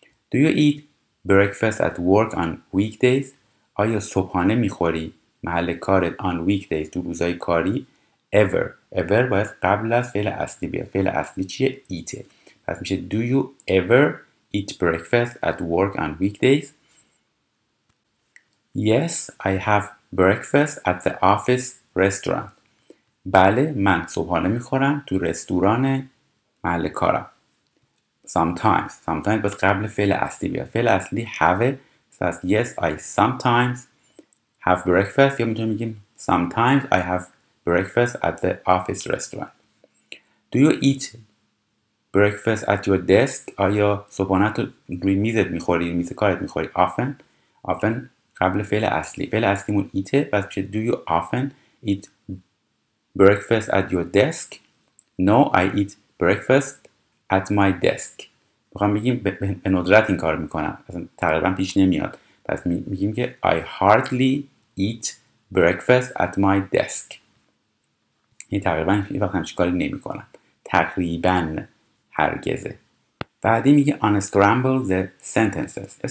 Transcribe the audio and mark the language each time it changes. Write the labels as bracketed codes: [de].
[en] Do you eat breakfast at work on weekdays? [fa] آیا صبحانه میخوری محل کارت [en] on weekdays [fa] تو روزای کاری؟ Ever. Ever باید قبل از فعل اصلی بیاد. فعل اصلی چیه؟ [en] Eat. [fa] پس میشه [en] Do you ever eat breakfast at work on weekdays? Yes, I have breakfast at the office restaurant. [fa] بله من صبحانه میخورم تو رستوران محل کارم. [en] Sometimes. [fa] Sometimes باید قبل فعل اصلی بیاد. فعل اصلی [en] have. پس yes I sometimes have breakfast. [fa] یا میتونیم بگیم [en] sometimes I have breakfast at the office restaurant. Do you eat breakfast at your desk? [fa] آیا صبحانه تو روی میزت میخوری؟ میز کارت میخوری؟ Often. Often قبل فعل اصلی. فعل اصلیمون ایته. پس میشه [en] Do you often eat breakfast at your desk? No, I eat breakfast at my desk. [fa] بخوام بگیم به ندرت این کار میکنم. اصلا تقریبا پیش نمیاد. پس میگیم که [en] I hardly eat breakfast at my desk. [fa] این تقریبا یه وقت همچه کاری نمی کنم. تقریبا هرگزه. بعدی میگه [en] unscramble the sentences.